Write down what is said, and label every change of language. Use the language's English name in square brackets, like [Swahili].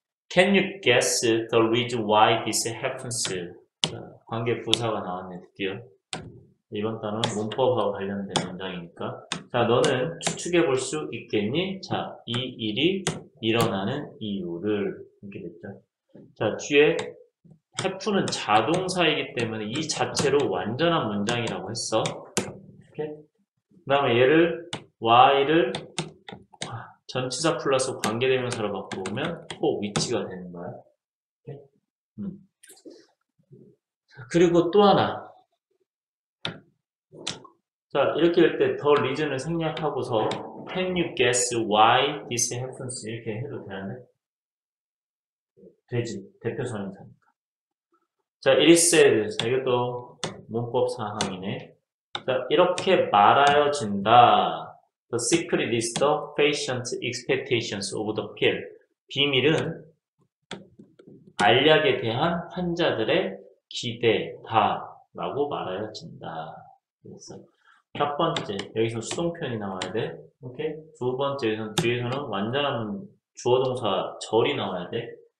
[English] Can you guess the reason why this happens? [Korean] 관계 부사가 나왔네, 드디어. 이번 단어는 문법하고 관련된 문장이니까. 자, 너는 추측해 볼수 있겠니? 자, 이 일이 일어나는 이유를. 이렇게 됐죠. 자, 뒤에 have는 자동사이기 때문에 이 자체로 완전한 문장이라고 했어. 이렇게. 그 다음에 얘를 why를 전치사 플러스 관계대명사로 바꾸면 for 위치가 되는 거야. 그리고 또 하나. 자, 이렇게 할때 the reason을 생략하고서 [English] can you guess why this happens? [Korean] 이렇게 해도 되는데? 되지. 대표 선행사니까. 자, [English] it is said. [Korean] 자, 이것도 문법 사항이네. 자, 이렇게 말하여진다. [English] The secret is the patient's expectations of the pill. [Korean] 비밀은 알약에 대한 환자들의 기대다. 라고 말하여진다. 그래서 첫 번째, 여기서 수동편이 나와야 돼. 오케이? 두 번째, 여기서 뒤에서는 완전한 주어동사 절이 나와야 돼.